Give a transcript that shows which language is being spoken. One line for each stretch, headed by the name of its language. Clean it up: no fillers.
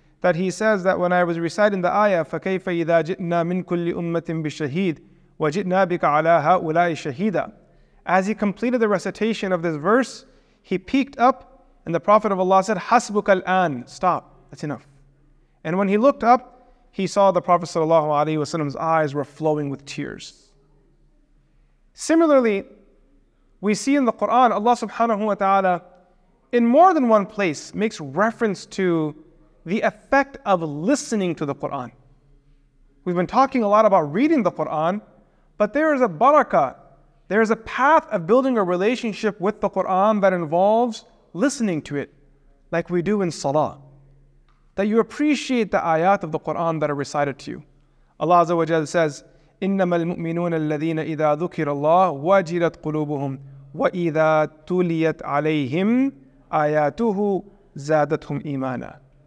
English: That he says that when I was reciting the ayah,
Arabic: فَكَيْفَ إِذَا جِئْنَا مِنْ كُلِّ أُمَّةٍ بِشَهِيدٍ وَجِئْنَا بِكَ عَلَىٰ هَؤُلَاءِ شَهِيدًا.
English: As he completed the recitation of this verse, he peeked up and the Prophet of Allah said,
Arabic: حَسْبُكَ الْآنِ.
English: Stop, that's enough. And when he looked up, he saw the Prophet sallallahu alayhi wasallam's eyes were flowing with tears. Similarly, we see in the Quran, Allah subhanahu wa ta'ala, in more than one place, makes reference to the effect of listening to the Qur'an. We've been talking a lot about reading the Qur'an, but there is a barakah, there is a path of building a relationship with the Qur'an that involves listening to it, like we do in salah. That you appreciate the ayat of the Qur'an that are recited to you. Allah Azza wa Jal says,
Arabic: إِنَّمَا الْمُؤْمِنُونَ الَّذِينَ إِذَا ذُكِرَ اللَّهُ وَجِلَتْ قُلُوبُهُمْ وَإِذَا تُلِيَتْ عَلَيْهِمْ آيَاتُهُ زَادَتْهُمْ إِيمَانًا.